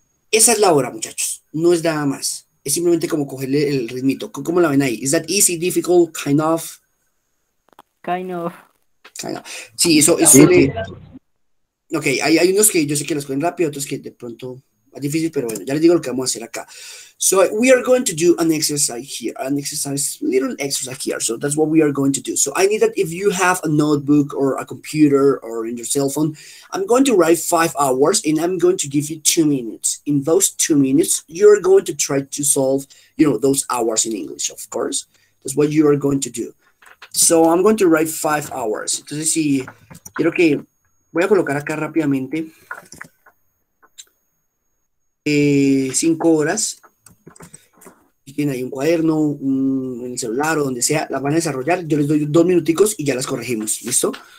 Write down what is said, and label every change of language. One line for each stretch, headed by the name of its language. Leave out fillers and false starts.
Spanish: Esa es la hora, muchachos. No es nada más. Es simplemente como cogerle el ritmito. ¿Cómo la ven ahí?
English: ¿Is that easy, difficult, kind of? Kind of. Kind of.
Spanish: Sí, eso es... Sí, sí. Ok, hay unos que yo sé que los cogen rápido, otros que de pronto... Difícil, pero bueno, ya les digo lo que vamos a hacer acá.
English: So, we are going to do an exercise here, an exercise, little exercise here. So, that's what we are going to do. So, I need that if you have a notebook or a computer or in your cell phone, I'm going to write 5 hours and I'm going to give you 2 minutes. In those 2 minutes, you're going to try to solve, you know, those hours in English, of course. That's what you are going to do. So, I'm going to write 5 hours.
Spanish: Entonces, sí, quiero que voy a colocar acá rápidamente. 5 horas, y tienen ahí un cuaderno, en el celular o donde sea, las van a desarrollar, yo les doy 2 minuticos y ya las corregimos, ¿listo?